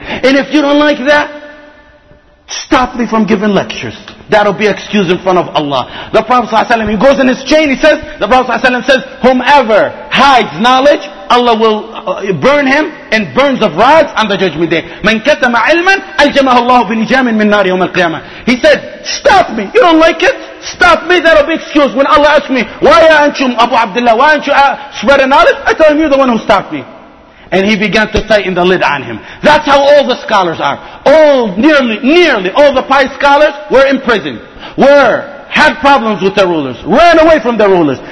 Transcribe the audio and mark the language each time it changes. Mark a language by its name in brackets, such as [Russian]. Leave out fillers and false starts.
[English] And if you don't like that, stop me from giving lectures. That'll be excused in front of Allah. The Prophet ﷺ, he goes in his chain, he says, the Prophet ﷺ says, whomever hides knowledge, Allah will burn him in burns of rods on the judgment day. [Arabic] مَنْ كَتَمَ عِلْمًا أَلْجَمَهُ اللَّهُ بِنِجَامٍ مِنْ نَارِ يَوْمَ الْقِيَامَةِ [English] He said, stop me. You don't like it? Stop me. That'll be excused. When Allah asks me, why aren't you Abu Abdullah? Why aren't you spreading knowledge? I tell him, you're the one who stopped me. And he began to tighten the lid on him. That's how all the scholars are. All, nearly all the pious scholars were in prison. Were, had problems with their rulers. Ran away from their rulers.